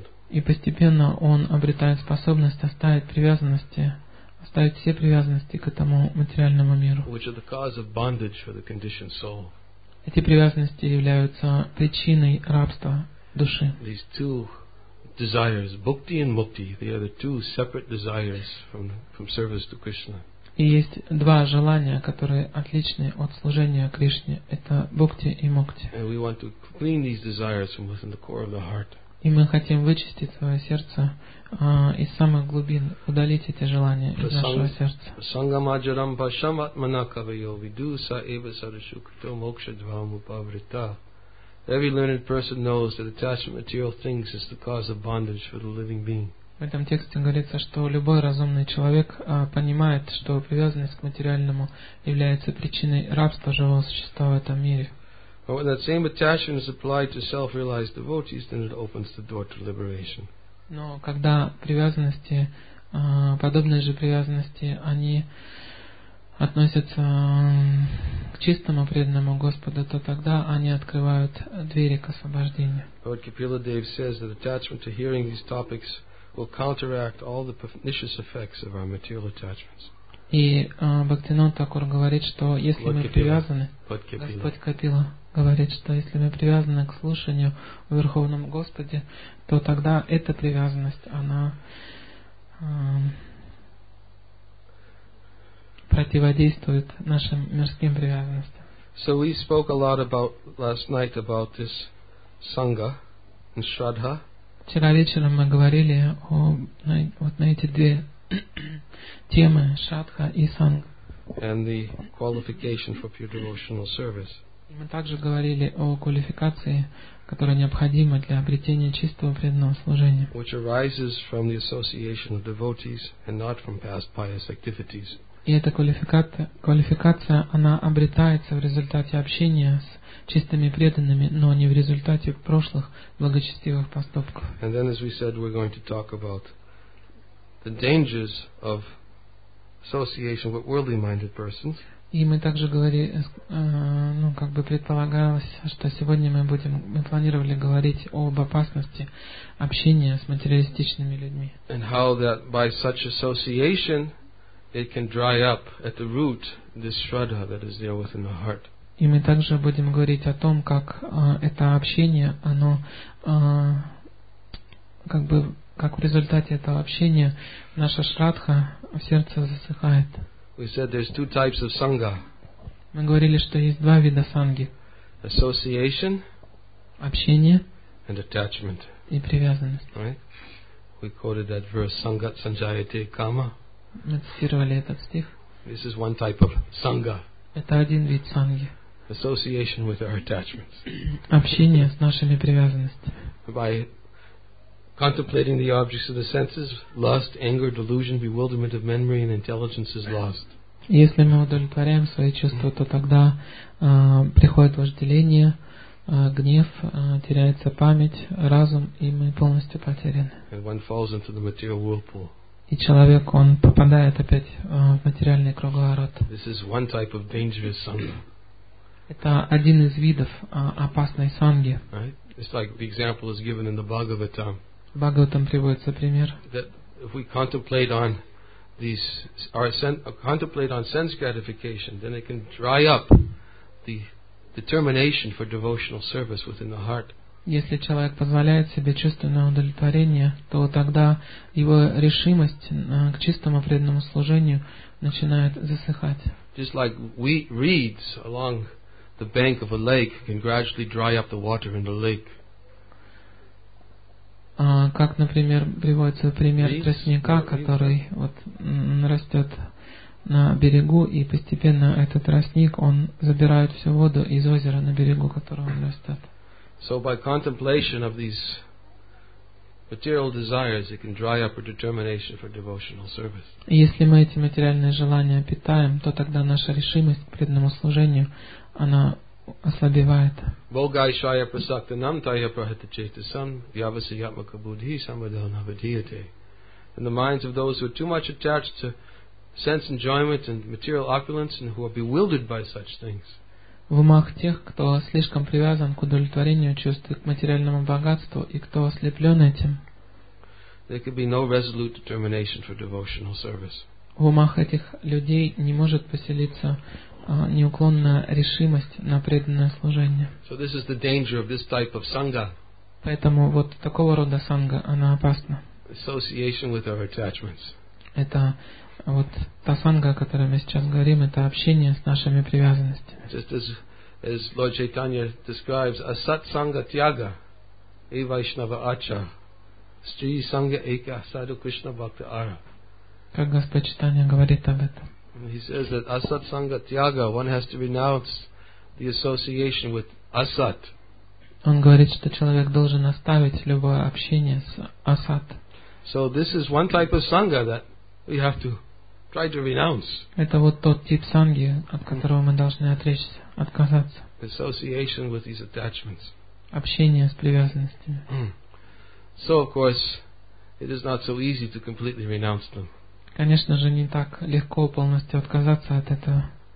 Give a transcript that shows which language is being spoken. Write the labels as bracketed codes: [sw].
[ru] И постепенно он обретает способность оставить привязанности, оставить все привязанности к этому материальному миру. Эти привязанности являются причиной рабства души. [en] These two desires, bhakti and mukti, they are the two separate desires from service to Krishna. [ru] И есть два желания, которые отличны от служения Кришне. Это бхакти и мукти. [en] And we want to clean these desires from within the core of the heart. [ru] И мы хотим вычистить свое сердце из самых глубин, удалить эти желания из нашего сердца. [sa] Сангамаджарам пашам атманакавайо видуса эва сарашукто мокша двамупаврита. [en] Every learned person knows that attachment to material things is the cause of bondage for the living being. [ru] В этом тексте говорится, что любой разумный человек понимает, что привязанность к материальному является причиной рабства живого существа в этом мире. [en] But when that same attachment is applied to self-realized devotees, then it opens the door to liberation. [ru] Но когда привязанности, подобные же привязанности, они относятся к чистому преданному Господу, то тогда они открывают двери к освобождению. [en] Lord Kapila Dev says that attachment to hearing these topics will counteract all the pernicious effects of our material attachments. [ru] И Бхактинанда Такур говорит, что если мы привязаны, Господь Капила говорит, что если мы привязаны к слушанию в Верховном Господе, то тогда эта привязанность, она противодействует нашим мирским привязанностям. [en] So we spoke a lot about last night about this sangha and shraddha. [ru] Вчера вечером мы говорили на эти две темы, шатха и санг. [en] And the qualification for pure devotional service. [ru] И мы также говорили о квалификации, которая необходима для обретения чистого преданного служения. [en] Which arises from the association of devotees and not from past pious activities. [ru] И эта квалификация, она обретается в результате общения с чистыми преданными, но не в результате прошлых благочестивых поступков. [en] And then, as we said, we're going to talk about the dangers of association with worldly-minded persons. [ru] И мы также предполагалось, что сегодня мы планировали говорить об опасности общения с материалистичными людьми. [en] And how that by such association it can dry up at the root this shraddha that is there within the heart. [ru] И мы также будем говорить о том, как это общение, оно как в результате этого общения наша шрадха в сердце засыхает. [en] We said there's two types of sangha. [ru] Мы говорили, что есть два вида санги. [en] Association. [ru] Общение. [en] And attachment. [ru] И привязанность. [en] Right? We quoted that verse, [sa] sangat sanjayate kama. [ru] Мы цитировали этот стих. [en] This is one type of sangha. [ru] Это один вид санги. [en] association with our attachments. [ru] Общение с нашими привязанностями. [en] By contemplating the objects of the senses, lust, anger, delusion, bewilderment of memory and intelligence is lost. [ru] Если мы удовлетворяем свои чувства, то тогда приходит вожделение, гнев, теряется память, разум, и мы полностью потеряны. [en] And one falls into the material whirlpool. [ru] И человек, он попадает опять в материальный круговорот. [en] This is one type of dangerous sangha. [ru] Это один из видов опасной санги. [en] Right? It's like the example is given in the Bhagavatam. [ru] В Бхагаватам приводится пример. [en] That if we contemplate on these, or contemplate on sense gratification, then it can dry up the determination for devotional service within the heart. [ru] Если человек позволяет себе чувственное удовлетворение, то тогда его решимость к чистому преданному служению начинает засыхать. [en] Just like wheat reeds along the bank of a lake can gradually dry up the water in the lake. [ru] Как, например, приводится пример тростника, который вот растет на берегу, и постепенно этот тростник, он забирает всю воду из озера на берегу, которого он растет. [en] So by contemplation of these material desires, it can dry up our determination for devotional service. [ru] Если мы эти материальные желания питаем, то тогда наша решимость к преданному служению, она ослабевает. [sa] Богайшая прасактанам тая прахатачетасам вьявасиятмака буддхи самадханавадхиятэ. [en] In the minds of those who are too much attached to sense enjoyment and material opulence and who are bewildered by such things. [ru] В умах тех, кто слишком привязан к удовлетворению чувств, к материальному богатству и кто ослеплен этим, [en] there could be no resolute determination for devotional service. [ru] В умах этих людей не может поселиться неуклонная решимость на преданное служение. [en] So this is the danger of this type of sangha. [ru] Поэтому вот такого рода санга, она опасна. [en] Association with our attachments. [ru] Это вот та санга, о которой мы сейчас говорим, это общение с нашими привязанностями. [en] Just as Lord Chaitanya describes, [sa] asat sangha tyaga e vaishnava acha stri sangha eka sadhu krishna bhakta ara. [ru] Как Господь Чайтанья говорит об этом. [en] He says that [sa] asat sangha tyaga, [en] one has to renounce the association with asat. [ru] Он говорит, что человек должен оставить любое общение с асат. [en] So this is one type of sangha that we have to try to renounce. [ru] Это вот тот тип санги, от которого мы должны отречься, отказаться. [en] Association with these attachments. [ru] Общение с привязанностями. [en] So of course, it is not so easy to completely renounce them. [ru] Конечно же, не так легко полностью отказаться от этого.